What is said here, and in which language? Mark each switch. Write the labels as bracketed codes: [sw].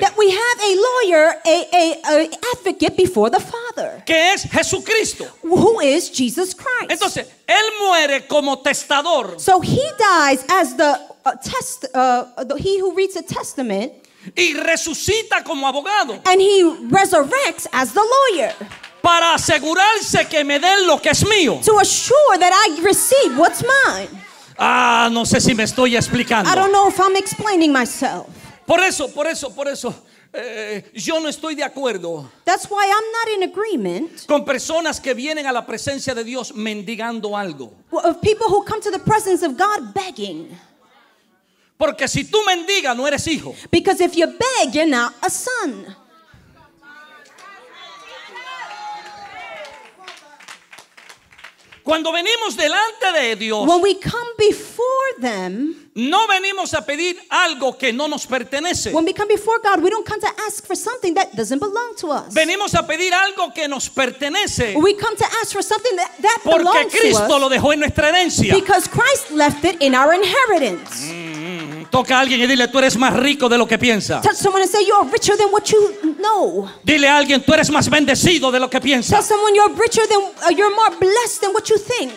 [en] That we have a lawyer, a advocate before the Father. [es] Que es Jesucristo. [en] Who is Jesus Christ. [es] Entonces, él muere como testador. [en] So he dies as the he who reads a testament. [es] Y resucita como abogado. [en] And he resurrects as the lawyer. [es] Para asegurarse que me den lo que es mío. [en] To assure that I receive what's mine. [es] Ah, no sé si me estoy explicando. [en] I don't know if I'm explaining myself. [es] Por eso. Yo no estoy de acuerdo. [en] That's why I'm not in agreement. [es] Con personas que vienen a la presencia de Dios mendigando algo. [en] Of people who come to the presence of God begging. [es] Porque si tú mendigas, no eres hijo. [en] Because if you beg, you're not a son. [es] Cuando venimos delante de Dios, [en] when we come before them, [es] no venimos a pedir algo que no nos pertenece. [en] When we come before God, we don't come to ask for something that doesn't belong to us. [es] Venimos a pedir algo que nos pertenece. [en] We come to ask for something that belongs to us. [es] Porque Cristo lo dejó en nuestra herencia. [en] Because Christ left it in our inheritance. [es] Toca a alguien y dile, tú eres más rico de lo que piensas. [en] Touch someone and say, you're richer than what you know. [es] Dile a alguien, tú eres más bendecido de lo que piensas. [en] Tell someone, you're more blessed than what you think.